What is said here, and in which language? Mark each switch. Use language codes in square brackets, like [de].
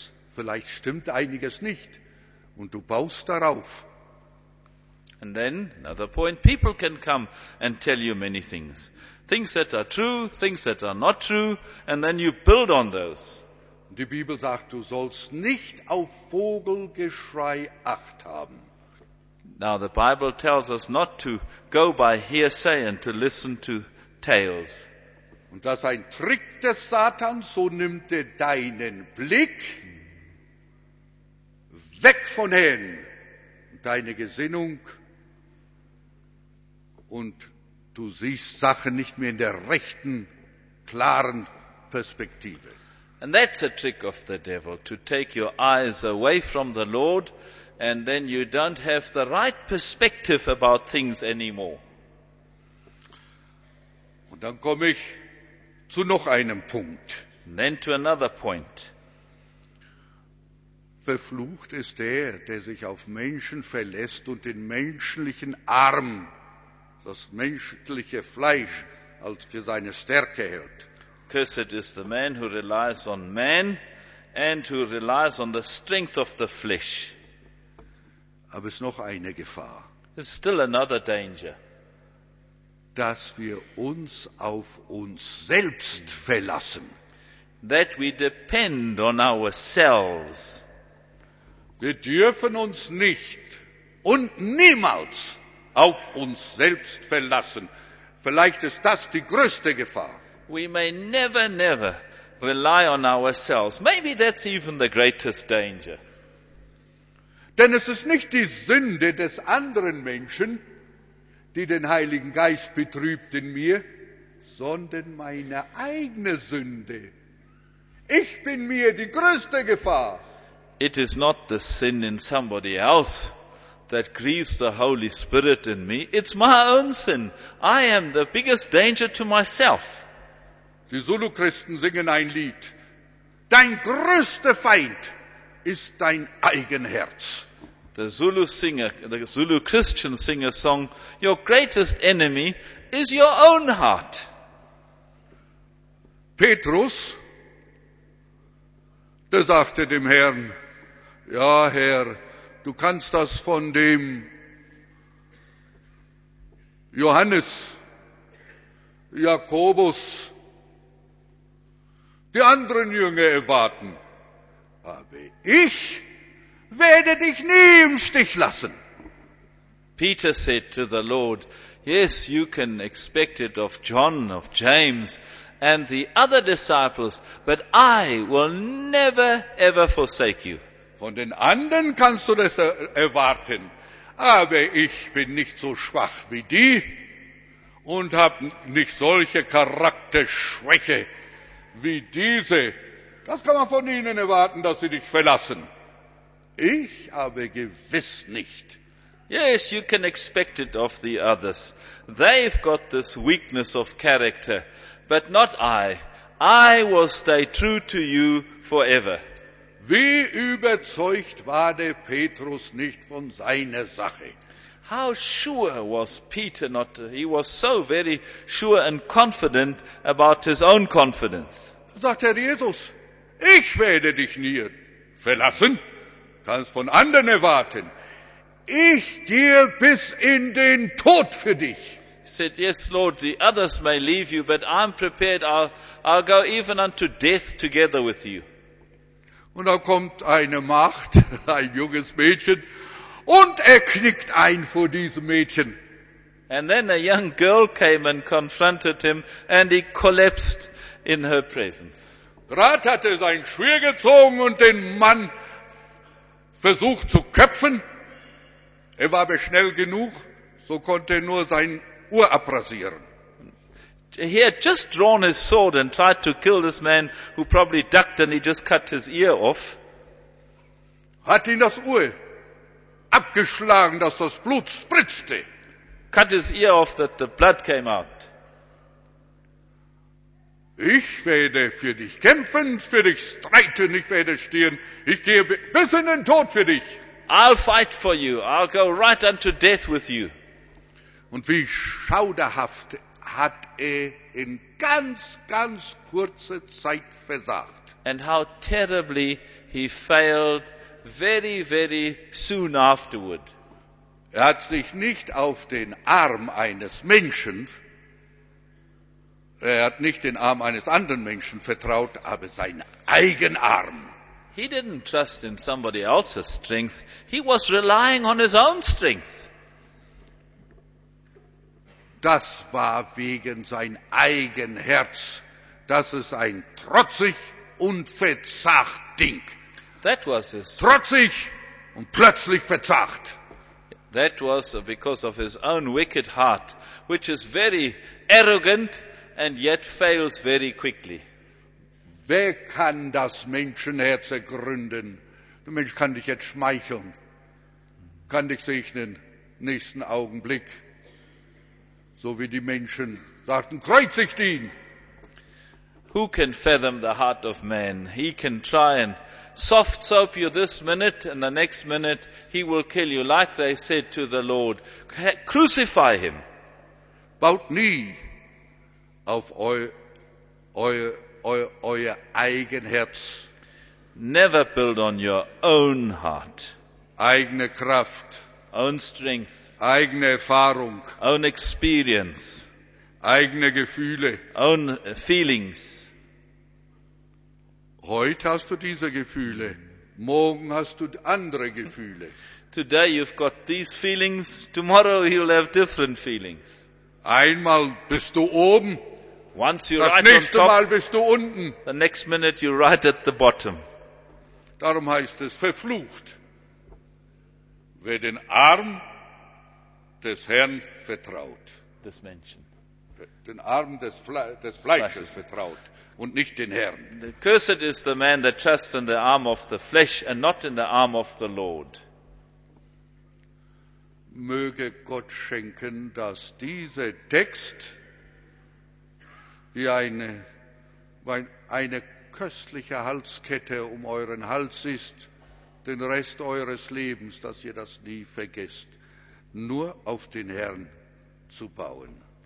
[de] Vielleicht stimmt einiges nicht. Und du baust darauf. [en] And then, another point, people can come and tell you many things. Things that are true, things that are not true, and then you build on those. [de] Die Bibel sagt, du sollst nicht auf Vogelgeschrei Acht haben. [en] Now the Bible tells us not to go by hearsay and to listen to tales. [de] Und das ist ein Trick des Satans, so nimmt er deinen Blick weg von Herrn, deine Gesinnung, und du siehst Sachen nicht mehr in der rechten, klaren Perspektive. [en] And that's a trick of the devil, to take your eyes away from the Lord, and then you don't have the right perspective about things anymore. [de] Und dann komme ich zu noch einem Punkt. [en] And then to another point. [de] Verflucht ist der, der sich auf Menschen verlässt und den menschlichen Arm, das menschliche Fleisch, als für seine Stärke hält. [en] Cursed is the man who relies on man and who relies on the strength of the flesh. [de] Aber es ist noch eine Gefahr. [en] There's still another danger. [de] Dass wir uns auf uns selbst verlassen. [en] That we depend on ourselves. [de] Wir dürfen uns nicht und niemals auf uns selbst verlassen. Vielleicht ist das die größte Gefahr. [en] We may never, never rely on ourselves. Maybe that's even the greatest danger. [de] Denn es ist nicht die Sünde des anderen Menschen, die den Heiligen Geist betrübt in mir, sondern meine eigene Sünde. Ich bin mir die größte Gefahr. [en] It is not the sin in somebody else that grieves the Holy Spirit in me. It's my own sin. I am the biggest danger to myself. [de] Die Zulu-Christen singen ein Lied. Dein größter Feind ist dein eigen Herz. [en] The Zulu Christians sing a song, your greatest enemy is your own heart. [de] Petrus, der sagte dem Herrn, ja Herr, du kannst das von dem Johannes, Jakobus, die anderen Jünger erwarten, aber ich werde dich nie im Stich lassen. [en] Peter said to the Lord, yes, you can expect it of John, of James, and the other disciples, but I will never, ever forsake you. [de] Von den anderen kannst du das erwarten, aber ich bin nicht so schwach wie die und habe nicht solche Charakterschwäche wie diese. Das kann man von ihnen erwarten, dass sie dich verlassen. Ich aber gewiss nicht. [en] Yes, you can expect it of the others. They've got this weakness of character, but not I. I will stay true to you forever. [de] Wie überzeugt war der Petrus nicht von seiner Sache? [en] How sure was Peter not? He was so very sure and confident about his own confidence. [de] Sagt Herr Jesus, ich werde dich nie verlassen. Kannst von anderen erwarten. Ich gehe bis in den Tod für dich. [en] He said, yes, Lord, the others may leave you, but I'm prepared. I'll go even unto death together with you. [de] Und da kommt eine Magd, ein junges Mädchen, und er knickt ein vor diesem Mädchen. [en] And then a young girl came and confronted him, and he collapsed in her presence. [de] Gerade hat er sein Schwert gezogen und den Mann versucht zu köpfen. Er war aber schnell genug, so konnte er nur sein Ohr abrasieren. [en] He had just drawn his sword and tried to kill this man who probably ducked and he just cut his ear off. [de] Hat ihn das Ohr abgeschlagen, dass das Blut spritzte. [en] Cut his ear off that the blood came out. [de] Ich werde für dich kämpfen, für dich streiten, ich werde stehen. Ich gehe bis in den Tod für dich. [en] I'll fight for you. I'll go right unto death with you. [de] Und wie schauderhaft hat er in ganz, ganz kurzer Zeit versagt. [en] And how terribly he failed very, very soon afterward. [de] Er hat sich nicht auf den Arm eines Menschen, er hat nicht den Arm eines anderen Menschen vertraut, aber seinen eigenen Arm. [en] He didn't trust in somebody else's strength. He was relying on his own strength. [de] Das war wegen sein eigen Herz. Das ist ein trotzig und verzagt Ding. [en] That was his. [de] Trotzig und plötzlich verzagt. [en] That was because of his own wicked heart, which is very arrogant and yet fails very quickly. [de] Wer kann das Menschenherz ergründen? Der Mensch kann dich jetzt schmeicheln, kann dich segnen, nächsten Augenblick. So wie die Menschen sagten, kreuzigt ihn. [en] Who can fathom the heart of man? He can try and soft soap you this minute and the next minute he will kill you. Like they said to the Lord, crucify him. [de] Baut nie auf euer eigen Herz. [en] Never build on your own heart. [de] Eigene Kraft. [en] Own strength. [de] Eigene Erfahrung. [en] Own experience. [de] Eigene Gefühle. [en] Own feelings. [de] Heute hast du diese Gefühle. Morgen hast du andere Gefühle. [en] Today you've got these feelings. Tomorrow you'll have different feelings. [de] Einmal bist du oben. [en] Once you [de] das [en] write [de] nächste [en] on top, [de] Mal bist du unten. [en] The next minute you write at the bottom. [de] Darum heißt es, verflucht, wer den Arm des Herrn vertraut. Des Menschen. Den Arm des Fleisches vertraut und nicht den Herrn. [en] Cursed is the man that trusts in the arm of the flesh and not in the arm of the Lord. [de] Möge Gott schenken, dass dieser Text wie eine köstliche Halskette um euren Hals ist, den Rest eures Lebens, dass ihr das nie vergesst, nur auf den Herrn zu bauen.